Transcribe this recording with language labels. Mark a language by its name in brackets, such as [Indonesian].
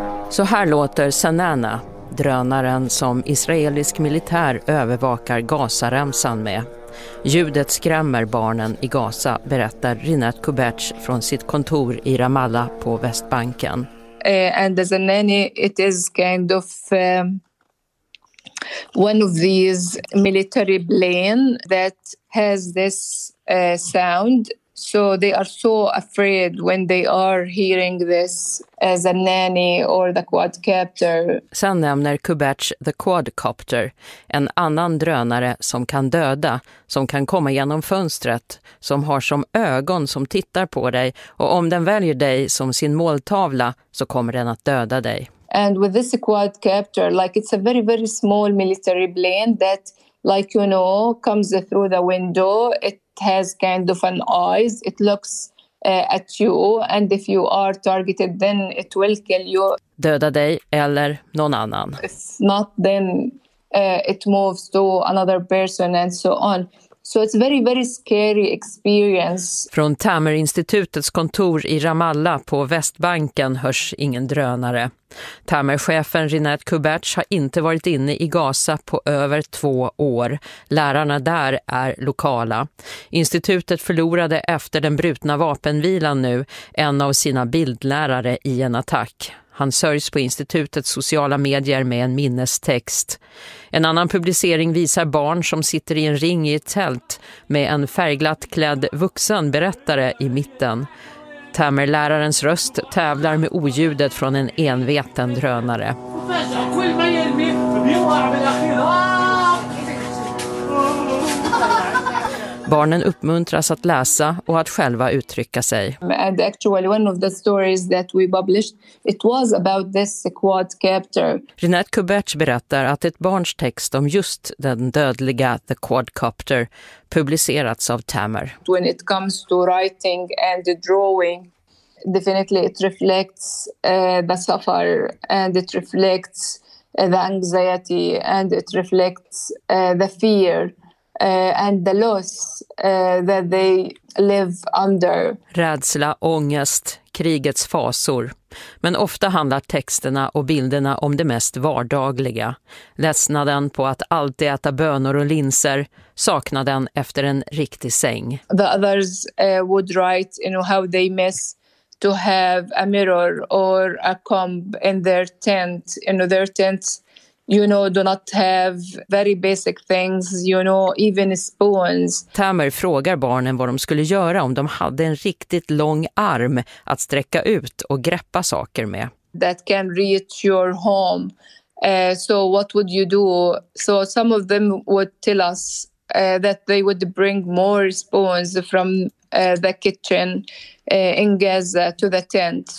[Swedish] Så här låter Sanana, drönaren som israelisk militär övervakar Gazaremsan med. Ljudet skrämmer barnen i Gaza, berättar Rinat Kubertz från sitt kontor i Ramallah på Västbanken. [English] And as a nanny, it is kind of one of these military planes that has this sound. So they are so afraid when they are hearing this as a nanny or the quadcopter. [Swedish] Sen nämner Kubertz the quadcopter, en annan drönare som kan döda, som kan komma genom fönstret, som har som ögon som tittar på dig, och om den väljer dig som sin måltavla så kommer den att döda dig. [English] And with this quadcopter, like it's a very, very small military plane that, like, you know, comes through the window. It has kind of an eyes. It looks at you. And if you are targeted, then it will kill you. [Swedish] Döda dig eller någon annan. [English] If not, then it moves to another person and so on. So it's a very, very scary experience. [Swedish] Från Tamer-institutets kontor i Ramallah på Västbanken hörs ingen drönare. Tamer-chefen Rinat Kubertz har inte varit inne i Gaza på över 2 år. Lärarna där är lokala. Institutet förlorade efter den brutna vapenvilan nu en av sina bildlärare i en attack. Han sörjs på institutets sociala medier med en minnestext. En annan publicering visar barn som sitter i en ring i ett tält med en färgglatt klädd vuxen berättare i mitten. Tamer-lärarens röst tävlar med oljudet från en enveten drönare. Barnen uppmuntras att läsa och att själva uttrycka sig. [English] And actually one of the stories that we published, it was about this quadcopter. [Swedish] Rinat Kubertz berättar att ett barns text om just den dödliga the quadcopter publicerats av Tamer. [English] When it comes to writing and the drawing, definitely it reflects the suffer and it reflects the anxiety and it reflects the fear. And the loss that they live under. [Swedish] Rädsla, ångest, krigets fasor. Men ofta handlar texterna och bilderna om det mest vardagliga. Ledsnaden på att alltid äta bönor och linser, saknaden efter en riktig säng. [English] The others would write, you know, how they miss to have a mirror or a comb in their tent, you know, their tents. You know, do not have very basic things, you know, even spoons. [Swedish] Tamer frågar barnen vad de skulle göra om de hade en riktigt lång arm att sträcka ut och greppa saker med. [English] That can reach your home. So what would you do? So some of them would tell us that they would bring more spoons from the kitchen in Gaza to the tent.